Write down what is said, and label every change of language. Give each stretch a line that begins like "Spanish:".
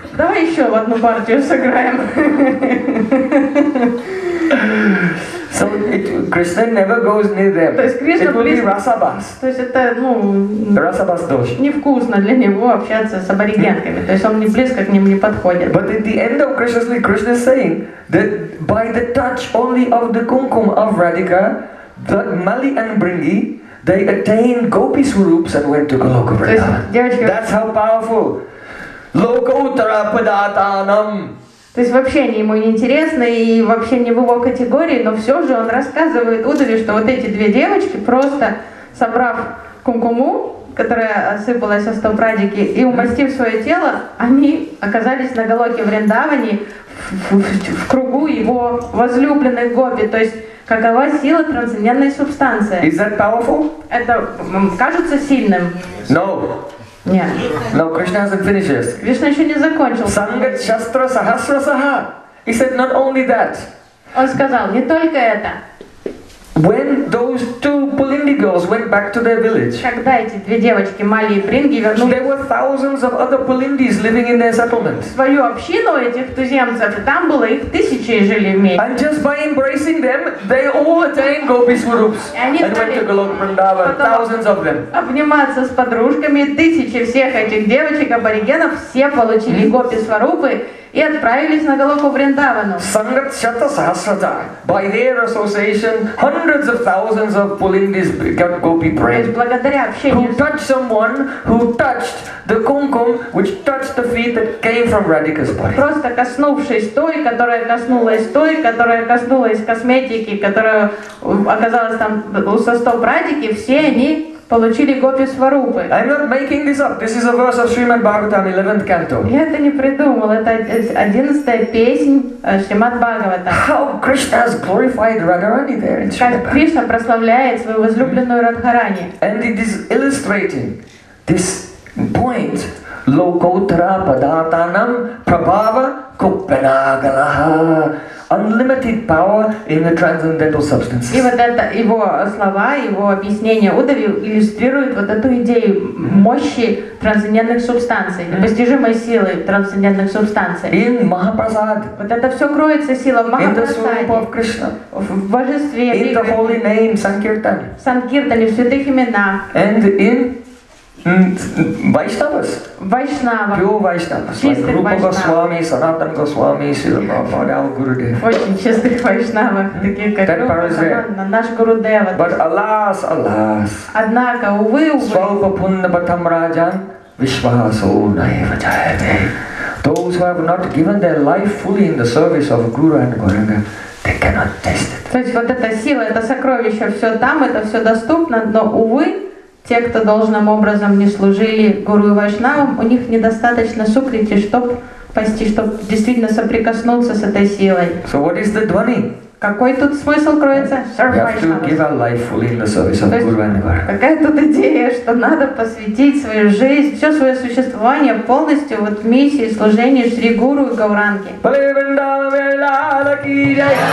Russian: Давай еще в одну партию сыграем.
English: So Krishna never goes near them.
Russian: То есть Кришна близко. Rasabas. То есть это, ну,
Sanskrit: Rasabas dosh.
Russian: Невкусно для него общаться с аборигенками. То есть он не близко к ним не подходит.
English: But at the end of Krishna's life, Krishna is saying that by the touch only of the kumkum of Radhika, that Mali and Bringi, they attained gopi swarups and went to Goloka Vrindavan. That's how powerful.
Sanskrit: Lokottara padatanam.
Russian: То есть вообще не ему неинтересно и вообще не в его категории, но все же он рассказывает Удаве, что вот эти две девочки, просто собрав кумкуму, которая осыпалась со стоп радики, и умастив свое тело, они оказались на Голоке Вриндаване в кругу его возлюбленных гопи. То есть какова сила трансцендентной субстанции?
English: Is that powerful?
Russian: Это кажется сильным?
English: No.
Russian: Нет.
English: No, Krishna hasn't finished yet.
Russian: Кришна еще не закончил.
Sanskrit: Sangat shastra sahasra saha.
English: He said not only that.
Russian: Он сказал не только это.
English: When those two Pulindi girls went back to their village.
Russian: Когда эти две девочки Мали и Бринги вернулись.
English: There were thousands of other Pulindis living in their settlement.
Russian: Свою общину этих туземцев там было их тысячи жили вместе.
English: And just by embracing them, they all attained gopi swarups.
Russian: Они
English: and went to Goloka Vrindavan, thousands of them.
Russian: Обниматься с подружками тысячи всех этих девочек аборигенов все получили гопи сварупы. И отправились на Голоку Вриндавану.
Sanskrit: Sangat shata sahasrata.
English: By their association, hundreds of thousands of Pulindis got gopi bread.
Russian: Благодаря общению.
English: Who touched someone who touched the kumkum, which touched the feet that came from Radhika's body.
Russian: Просто коснувшись той, которая коснулась косметики, которая оказалась там со стоп Радики, все они получили гопи сварупы.
English: I'm not making this up. This is a verse of Srimad Bhagavatam, 11th canto.
Russian: Я это не придумал. Это 11-я песня Шримад Бхагаватам.
English: How Krishna has glorified Radharani there in Shrimad.
Russian: Как Кришна прославляет свою возлюбленную Радхарани.
English: And it is illustrating this point.
Sanskrit: Lokottara padatanam prabhava kuppanagalaha.
English: Unlimited power in the transcendental substances.
Russian: И вот это его слова, его объяснение Удаве иллюстрирует вот эту идею мощи трансцендентных субстанций, непостижимой силы трансцендентных субстанций.
English: In Mahaprasad.
Russian: Вот это все кроется сила в Махапрасаде. В божестве.
English: In the holy name Sankirtan.
Russian: В Санкиртане, в святых именах.
English: And in Vaishnavas. Vaishnava. Pure Vaishnavas. Like Rupa Goswami, Sanatana Goswami, Srila Prabhupada, our Gurudev.
Russian: Очень чистых Vaishnava.
English: That part is there.
Russian: Наш Гурудева.
English: But alas, alas.
Russian: Однако, увы, увы.
Sanskrit: Свалпа пунна батам раджан, вишвасо наива джаяте.
English: Those who have not given their life fully in the service of Guru and Gauranga, they cannot taste it.
Russian: То есть вот эта сила, это сокровище, все там, это все доступно, но увы, те, кто должным образом не служили Гуру и Вайшнавам, у них недостаточно сукрити, чтобы пасти, чтобы действительно соприкоснуться с этой силой.
English: So what is the dhvani?
Russian: Какой тут смысл кроется? Какая тут идея, что надо посвятить свою жизнь, все свое существование полностью вот в миссии служения Шри Гуру и Гауранге.